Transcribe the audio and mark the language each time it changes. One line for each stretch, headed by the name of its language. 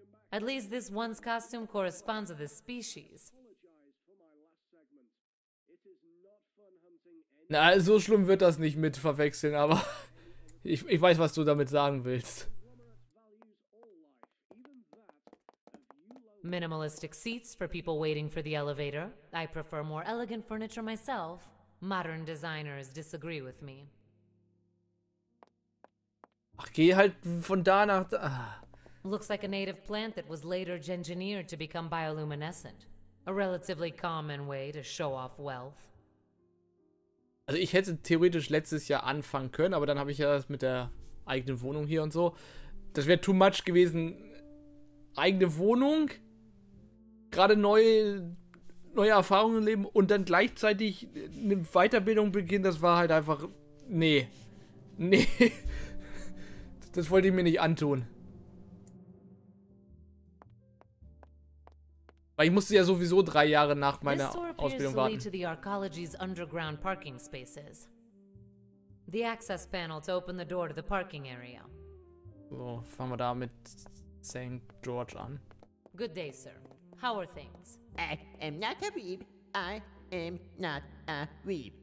English: At least this one's costume corresponds to the species.
German: Na, so schlimm wird das nicht mit verwechseln, aber ich weiß, was du damit sagen willst.
English: Minimalistic seats for people waiting for the elevator. I prefer more elegant furniture myself. Modern designers disagree with me.
German: Ach, geh halt von da nach da.
English: Looks like a native plant that was later gen-engineered to become bioluminescent. A relatively common way to show off wealth.
German: Also ich hätte theoretisch letztes Jahr anfangen können, aber dann habe ich ja das mit der eigenen Wohnung hier und so. Das wäre
English: too much
German: gewesen. Eigene Wohnung, gerade neue Erfahrungen leben und dann gleichzeitig eine Weiterbildung beginnen, das war halt einfach... Nee. Das wollte ich mir nicht antun. Weil ich musste ja sowieso 3 Jahre nach meiner Ausbildung warten.
English: This door appears to lead to the Arcology's underground parking spaces. The access panel to open the door to the parking area.
German: So, fangen wir da mit St. George an.
English: Good day, sir. How are things? I am not a weeb. I am not a weeb.